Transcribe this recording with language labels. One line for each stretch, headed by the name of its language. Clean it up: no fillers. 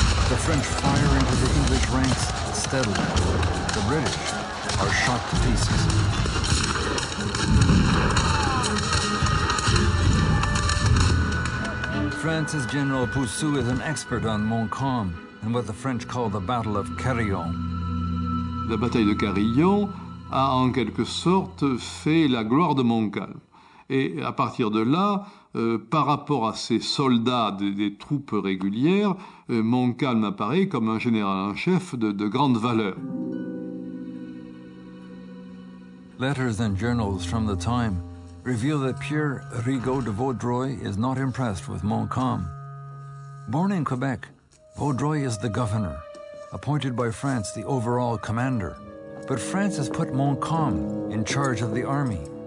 English: The French fire into the English ranks steadily. The British are shot to pieces. France's General Poussou is an expert on Montcalm and what the French call the Battle of Carillon.
French: La bataille de Carillon a en quelque sorte fait la gloire de Montcalm. Et à partir de là, par rapport à ses soldats des troupes régulières, Montcalm apparaît comme un général en chef de grande valeur.
English: Letters and journals from the time reveal that Pierre Rigaud de Vaudreuil is not impressed with Montcalm. Born in Quebec, Vaudreuil is the governor, appointed by France the overall commander. But France has put Montcalm in charge of the army.